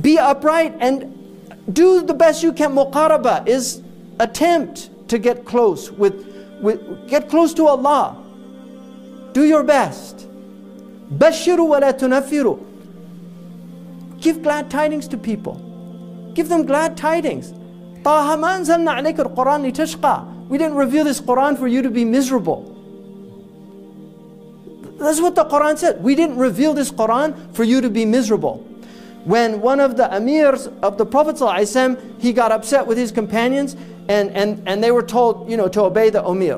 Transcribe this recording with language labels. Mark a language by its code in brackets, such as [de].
[en] Be upright and do the best you can. Muqaraba is attempt to get close with get close to Allah. Do your best. [ar] بَشِّرُوا وَلَا تُنَفِّرُوا. [en] Give glad tidings to people. Give them glad tidings. [ar] طه ما أنزلنا عليك القرآن لتشقى. [en] We didn't reveal this Quran for you to be miserable. That's what the Quran said. We didn't reveal this Quran for you to be miserable. When one of the Amirs of the Prophet ﷺ, he got upset with his companions and they were told, you know, to obey the Amir.